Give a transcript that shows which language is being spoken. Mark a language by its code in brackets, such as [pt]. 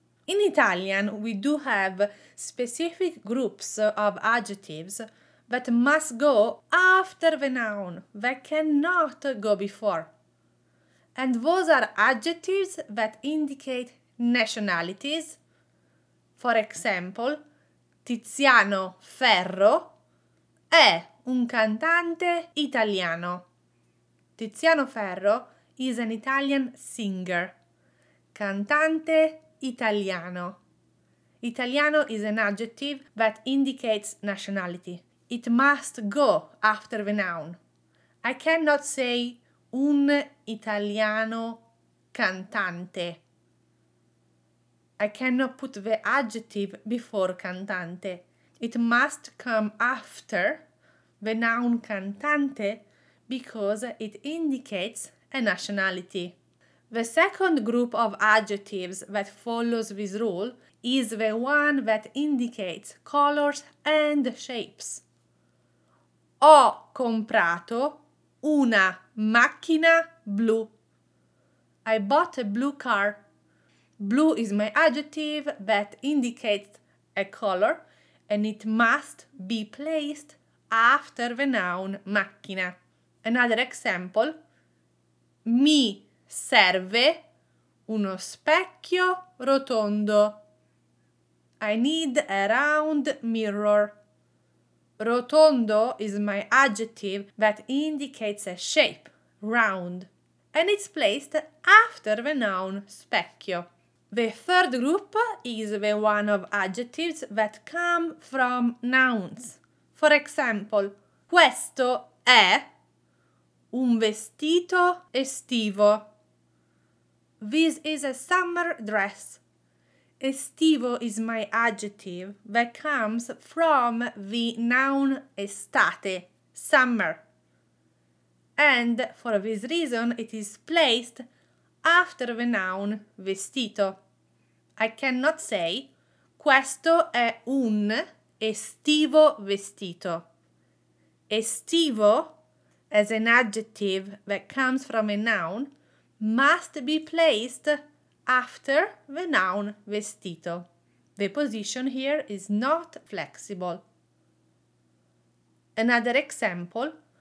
[en] In Italian, we do have specific groups of adjectives that must go after the noun, that cannot go before. And those are adjectives that indicate nationalities. For example, [it] Tiziano Ferro è un cantante italiano. [en] Tiziano Ferro is an Italian singer. [it] Cantante italiano. [en] Italiano is an adjective that indicates nationality. It must go after the noun. I cannot say [it] un italiano cantante. [en] I cannot put the adjective before cantante. It must come after the noun cantante because it indicates a nationality. The second group of adjectives that follows this rule is the one that indicates colors and shapes. [it] Ho comprato una macchina blu. [en] I bought a blue car. Blue is my adjective that indicates a color, and it must be placed after the noun macchina. Another example. [it] Mi serve uno specchio rotondo. [en] I need a round mirror. Rotondo is my adjective that indicates a shape, round, and it's placed after the noun specchio. The third group is the one of adjectives that come from nouns. For example, [it] questo è un vestito estivo. [en] This is a summer dress. Estivo is my adjective that comes from the noun estate, summer. And for this reason, it is placed after the noun vestito. I cannot say [it] questo è un estivo vestito. [en] Estivo, as an adjective that comes from a noun, must be placed after the noun vestito. The position here is not flexible. Another example.